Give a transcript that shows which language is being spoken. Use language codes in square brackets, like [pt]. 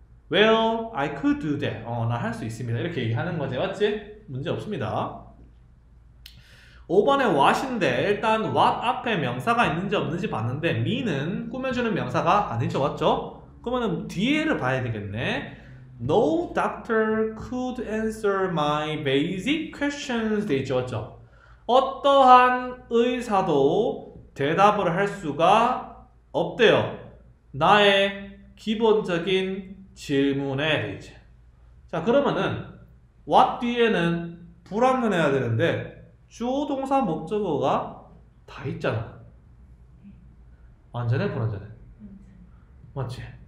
[en] Well, I could do that. [ko] 나 할 수 있습니다. 이렇게 얘기하는 거지. 맞지? 문제 없습니다. 5번에 what인데 일단 what 앞에 명사가 있는지 없는지 봤는데 me는 꾸며주는 명사가 아니죠. 맞죠? 그러면 뒤에를 봐야 되겠네. [en] No doctor could answer my basic questions [ko] 돼 있죠. 맞죠? 어떠한 의사도 대답을 할 수가 없대요. 나의 기본적인 질문에 돼 있죠. 자 그러면은 what 뒤에는 불안을 해야 되는데 주어 동사 목적어가 다 있잖아. 완전해 불완전해. 맞지?